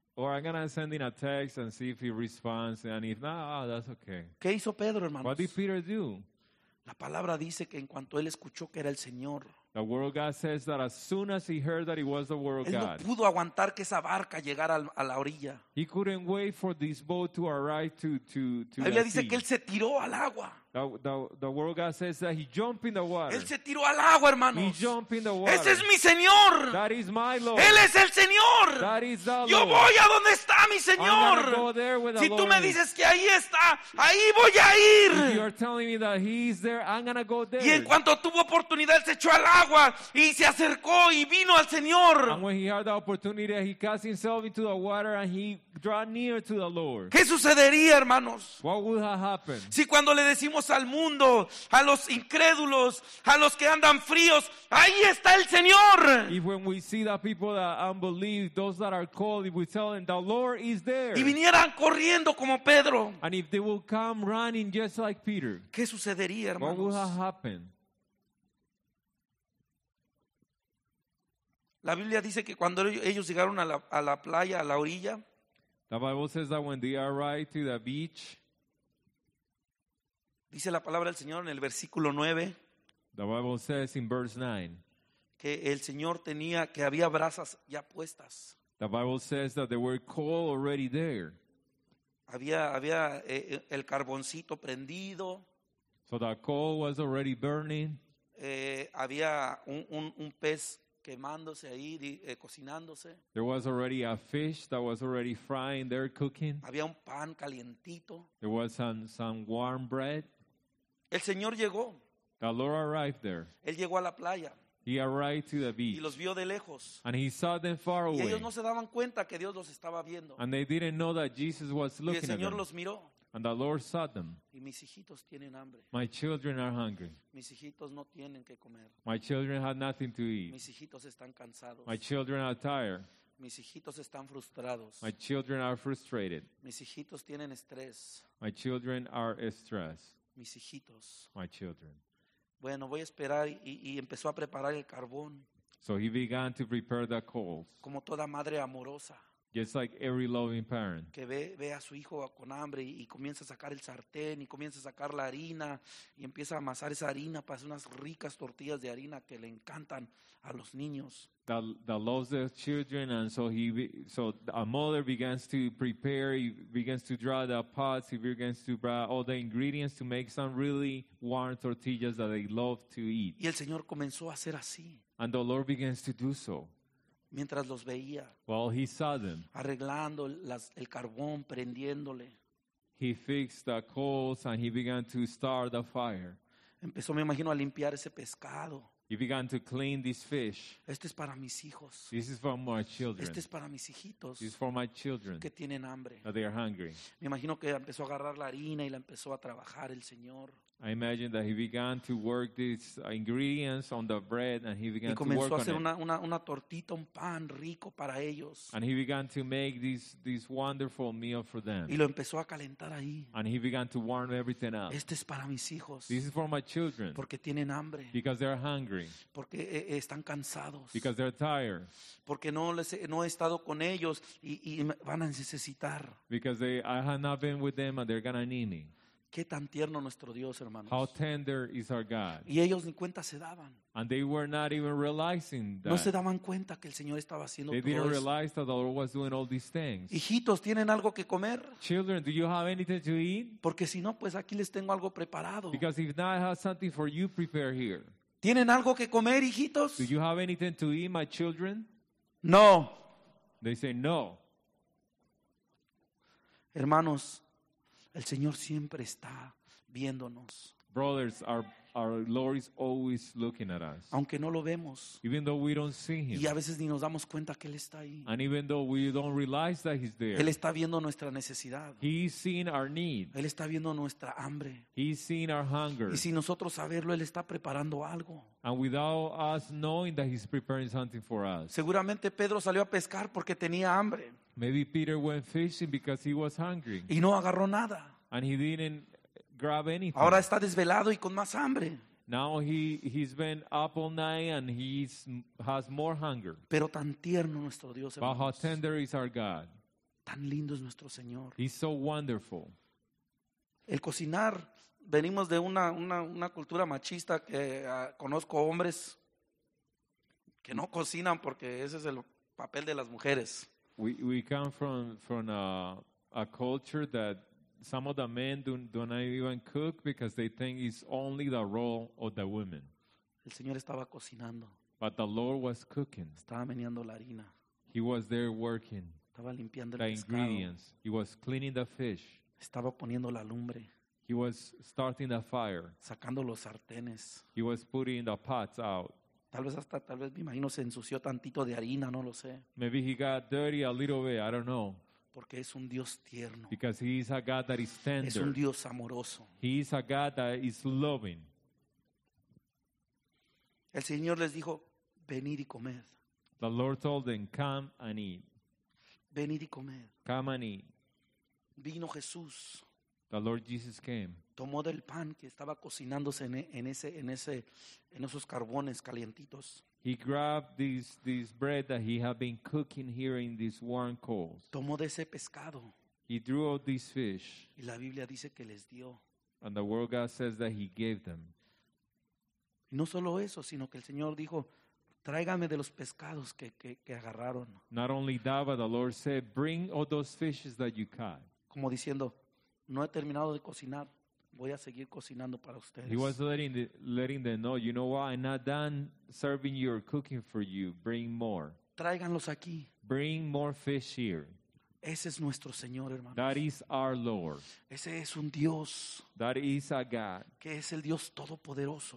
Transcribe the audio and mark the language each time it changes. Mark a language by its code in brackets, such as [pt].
[en] Or I'm gonna send him a text and see if he responds, and if not, oh, that's okay. [es] ¿Qué hizo Pedro, hermanos? [en] What did Peter do? [es] La palabra dice que en cuanto él escuchó que era el Señor. [en] The word God says that as soon as he heard that it was the word of God. [es] Él no pudo aguantar que esa barca llegara a la orilla. [en] He couldn't wait for this boat to arrive to [es] la Biblia dice que él se tiró al agua. [en] The word God says that he jumped in the water. [es] Él se tiró al agua, hermanos. [en] He jumped in the water. [es] Ese es mi Señor. [en] That is my Lord. [es] Él es el Señor. [en] That is the Lord. [es] Yo voy a donde está mi Señor. [en] I'm gonna go there with the si Lord. [es] Tú me dices que ahí está, ahí voy a ir. [en] If you are telling me that he's there, I'm gonna go there. [es] Y en cuanto tuvo oportunidad, se echó al agua y se acercó y vino al Señor. [en] And when he had the opportunity, he cast himself into the water and he drew near to the Lord. [es] ¿Qué sucedería, hermanos? [en] What would have happened? [es] Si cuando le decimos al mundo, a los incrédulos, a los que andan fríos, ahí está el Señor. [en] If when we see the people that unbelieve, those that are called, if we tell them the Lord is there. [es] Y vinieran corriendo como Pedro. [en] And if they will come running just like Peter. [es] ¿Qué sucedería, hermanos? [en] What would have happened? [es] La Biblia dice que cuando ellos llegaron a la playa, a la orilla. [en] The Bible says that when they arrived to the beach. [es] Dice la palabra del Señor en el versículo 9. [en] The Bible says in verse 9. [es] Que el Señor tenía, que había brasas ya puestas. [en] The Bible says that there were coal already there. [es] Había el carboncito prendido. [en] So the coal was already burning. [es] Había un pez quemándose ahí, cocinándose. [en] There was already a fish that was already frying there cooking. [es] Había un pan calientito. [en] There was some warm bread. [es] El Señor llegó. [en] The Lord arrived there. [es] Él llegó a la playa. [en] He arrived to the beach. [es] Y los vio de lejos. [en] And he saw them far away. [es] Y ellos no se daban cuenta que Dios los estaba viendo. [en] And they didn't know that Jesus was looking at them. [es] Y el Señor los miró. [en] And the Lord saw them. [es] Y mis hijitos tienen hambre. [en] My children are hungry. [es] Mis hijitos no tienen que comer. [en] My children have nothing to eat. [es] Mis hijitos están cansados. [en] My children are tired. [es] Mis hijitos están frustrados. [en] My children are frustrated. [es] Mis hijitos tienen estrés. [en] My children are stressed. [es] Mis hijitos. [en] My children. [es] Bueno, voy a esperar y empezó a preparar el carbón. [en] So he began to prepare the coals. [es] Como toda madre amorosa. [en] Just like every loving parent. [es] Que ve a su hijo con hambre y comienza a sacar el sartén y comienza a sacar la harina y empieza a amasar esa harina para hacer unas ricas tortillas de harina que le encantan a los niños. [en] That loves their children, and so a mother begins to prepare, he begins to draw the pots, he begins to draw all the ingredients to make some really warm tortillas that they love to eat. [es] Y el Señor comenzó a hacer así. [en] And the Lord begins to do so. [es] Mientras los veía. [en] While he saw them. [es] Arreglando el carbón, prendiéndole. [en] He fixed the coals and he began to start the fire. [es] Empezó, me imagino, a limpiar ese pescado. [en] You began to clean this fish. [es] Este es para mis hijos. [en] This is for my children. [es] Este es para mis hijitos. [en] This is for my children. [es] Que tienen hambre. [en] That they are hungry. [es] Me imagino que empezó a agarrar la harina y la empezó a trabajar el Señor. [en] I imagine that he began to work these ingredients on the bread and he began to work on it. [es] Y comenzó a hacer una tortita, un pan rico para ellos. [en] And he began to make this wonderful meal for them. [es] Y lo empezó a calentar ahí. [en] And he began to warm everything up. [es] Este es para mis hijos. [en] This is for my children. [es] Porque tienen hambre. [en] Because they are hungry. [es] Porque están cansados. [en] Because they are tired. [es] Porque no he estado con ellos y van a necesitar. [en] Because I have not been with them and they're gonna need me. [es] Qué tan tierno nuestro Dios, hermanos. [en] How tender is our God. [es] Y ellos ni cuenta se daban. [en] And they were not even realizing that. [es] No se daban cuenta que el Señor estaba haciendo todo esto. [en] They didn't realize that the Lord was doing all these things. [es] Hijitos, ¿tienen algo que comer? [en] Children, do you have anything to eat? [es] Porque si no, pues aquí les tengo algo preparado. [en] Because if not, I have something for you prepared here. [es] ¿Tienen algo que comer, hijitos? [en] Do you have anything to eat, my children? [es] No. [en] They say no. [es] Hermanos, el Señor siempre está viéndonos. [en] Brothers, our Lord is always looking at us. [es] Aunque no lo vemos. [en] Even though we don't see him. [es] Y a veces ni nos damos cuenta que él está ahí. [en] And even though we don't realize that he's there. [es] Él está viendo nuestra necesidad. [en] He is seeing our need. [es] Él está viendo nuestra hambre. [en] He is seeing our hunger. [es] Y sin nosotros saberlo, él está preparando algo. [en] And without us knowing that he's preparing something for us. [es] Seguramente Pedro salió a pescar porque tenía hambre. [en] Maybe Peter went fishing because he was hungry. [es] Y no agarró nada. [en] And he didn't grab anything. [es] Ahora está desvelado y con más hambre. [en] Now he's been up all night and has more hunger. [es] Pero tan tierno nuestro Dios, hermanos. [en] But how tender is our God. [es] Tan lindo es nuestro Señor. [en] He's so wonderful. [es] El cocinar, venimos de una cultura machista que conozco hombres que no cocinan porque ese es el papel de las mujeres. [en] We come from a culture that some of the men don't even cook because they think it's only the role of the women. [es] El Señor estaba cocinando. [en] But the Lord was cooking. [es] Estaba meneando la harina. [en] He was there working. [es] Estaba limpiando el pescado. [en] The ingredients. He was cleaning the fish. [es] Estaba poniendo la lumbre. [en] He was starting the fire. [es] Sacando los sartenes. [en] He was putting the pots out. [es] Tal vez me imagino se ensució tantito de harina, no lo sé. [en] Maybe he got dirty a little bit, I don't know. [es] Porque es un Dios tierno. [en] Because he is a God that is tender. [es] Es un Dios amoroso. [en] He is a God that is loving. [es] El Señor les dijo, venid y comed. [en] The Lord told them, come and eat. [es] Venid y comed. [en] Come and eat. [es] Vino Jesús. [en] The Lord Jesus came. [es] Tomó del pan que estaba cocinándose en esos carbones calientitos. [en] He grabbed this bread that he had been cooking here in these warm coals. [es] Tomó de ese pescado. [en] He drew out this fish. [es] Y la Biblia dice que les dio. [en] And the Word of God says that he gave them. [es] Y no solo eso, sino que el Señor dijo, tráigame de los pescados que agarraron. [en] Not only that, but the Lord said, bring all those fishes that you caught. [es] Como diciendo, no he terminado de cocinar, voy a seguir cocinando para ustedes. [en] He was letting them know, you know what, I'm not done serving you or cooking for you, bring more. [es] Tráiganlos aquí. [en] Bring more fish here. [es] Ese es nuestro Señor, hermanos. [en] That is our Lord. [es] Ese es un Dios. [en] That is a God. [es] Que es el Dios Todopoderoso.